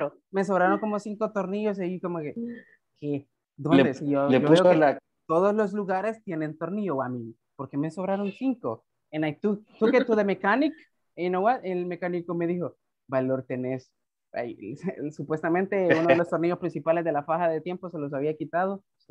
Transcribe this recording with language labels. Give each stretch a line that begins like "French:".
Spanish: Me sobraron como cinco tornillos, y como que, ¿qué? ¿Dónde? Todos los lugares tienen tornillo a mí, porque me sobraron cinco.
English: And I took it to the mechanic, and you know what?
Spanish: El mecánico me dijo, valor tenés. Supuestamente uno de los tornillos principales de la faja de tiempo se los había quitado.